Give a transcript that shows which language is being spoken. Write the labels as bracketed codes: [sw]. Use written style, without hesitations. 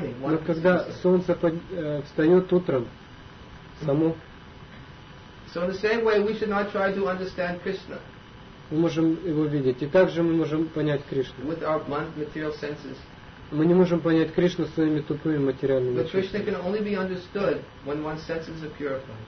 [ru] Но когда солнце встает утром, само. [en] So in the same way we should not try to understand Krishna. [ru] Мы можем его видеть. И также мы можем понять Кришну. [en] With our material senses. [ru] Мы не можем понять Кришну своими тупыми материальными чувствами. [en] But Krishna can only be understood when one's senses are purified.